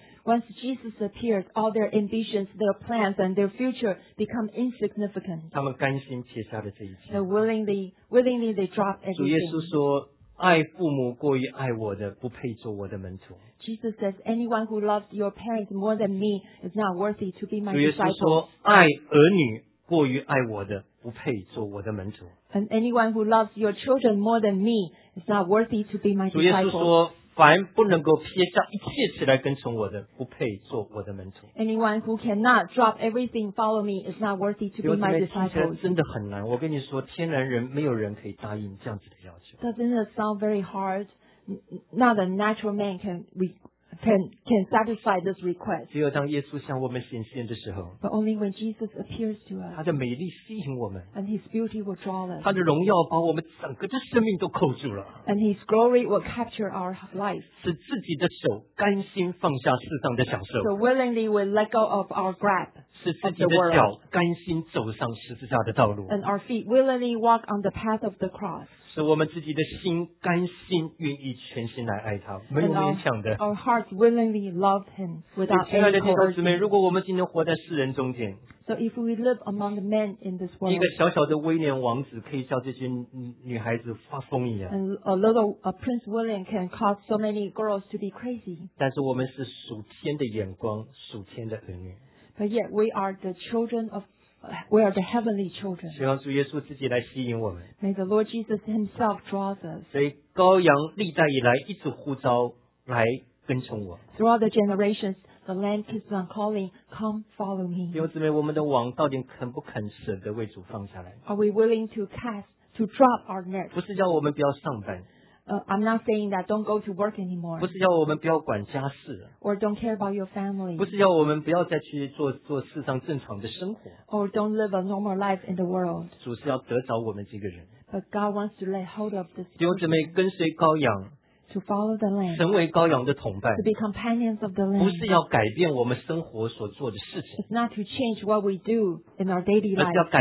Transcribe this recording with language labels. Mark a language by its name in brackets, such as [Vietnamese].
[English] Once Jesus appears, all their ambitions, their plans, and their future become insignificant. [Chinese] 他们甘心撇下了这一切。 [English] They willingly they drop everything. [Chinese] 主耶稣说。爱父母过于爱我的不配做我的门徒 [English] Jesus says anyone who loves your parents more than me is not worthy to be my disciple [Chinese] 主耶稣说爱儿女过于爱我的不配做我的门徒 [English] And anyone who loves your children more than me is not worthy to be my disciple [Chinese] 主耶稣说凡不能够撇下一切起来跟从我的不配做我的门徒 [English] Anyone who cannot drop everything follow me is not worthy to be my disciple [Chinese] 真的很难我跟你说天然人没有人可以答应这样子的要求 [English] Doesn't it sound very hard? Not a natural man can satisfy this request [Chinese] 只有当耶稣向我们显现的时候 [English] But only when Jesus appears to us [Chinese] 他的美丽吸引我们 [English] And his beauty will draw us [Chinese] 他的荣耀把我们整个的生命都扣住了 [English] And his glory will capture our life [Chinese] 使自己的手甘心放下世上的享受 [English] So willingly we let go of our grab [Chinese] 使自己的脚甘心走上十字架的道路 [English] And our feet willingly walk on the path of the cross [Chinese] 使我们自己的心甘心愿意全心来爱他没有勉强的 [English] our hearts willingly love him without any coercion [Chinese] 亲爱的弟兄姊妹如果我们今天活在世人中间 [English] so if we live among the men in this world [Chinese] 一个小小的威廉王子可以叫这些女孩子发疯一样 [English] and a Prince William can cause so many girls to be crazy [Chinese] 但是我们是属天的眼光属天的儿女 [English] but yet we are the children of We are the heavenly children. [Chinese] 希望主耶稣自己来吸引我们。 [English] May the Lord Jesus Himself draw us. [Chinese] 所以羔羊历代以来一直呼召来跟从我。 [English] Throughout the generations, The land keeps on calling, come follow me. [Chinese] 弟兄姊妹, 我们的网, 到底肯不肯舍得为主放下来? [English] Are we willing to cast, to drop our nets? [Chinese] 不是叫我们不要上班, [English] I'm not saying that don't go to work anymore. [Chinese] 不是叫我们不要管家事, [English] or don't care about your family. [Chinese] 不是叫我们不要再去做世上正常的生活, [English] or don't live a normal life in the world. [Chinese] 主是要得着我们这个人, [English] but God wants to lay hold of this person. [Chinese] 弟兄姊妹, 跟随羔羊, [English] to follow the Lamb, [Chinese] 成为羔羊的同伴, [English] to be companions of the Lamb. [Chinese] 不是要改变我们生活所做的事情, [English] it's not to change what we do in our daily life,